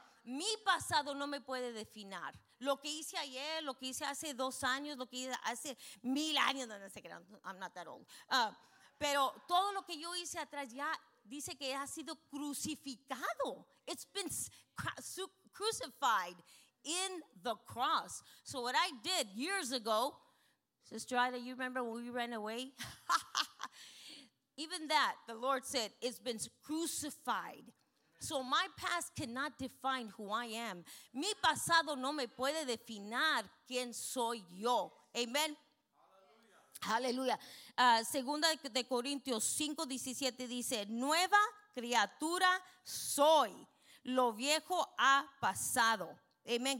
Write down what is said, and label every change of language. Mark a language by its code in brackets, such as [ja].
[es] Mi pasado no me puede definir. Lo que hice ayer, lo que hice hace 2 años, lo que hice hace 1,000 años, no sé qué, [en] I'm not that old. [es] Pero todo lo que yo hice atrás ya dice que ha sido crucificado. [en] It's been crucified in the cross. So what I did years ago, Sister Ida, you remember when we ran away? Even that, the Lord said, it's been crucified. So my past cannot define who I am. [es] Mi pasado no me puede definir quién soy yo. Amen. Hallelujah. Segunda de Corintios 5:17 dice, nueva criatura soy. Lo viejo ha pasado. Amen.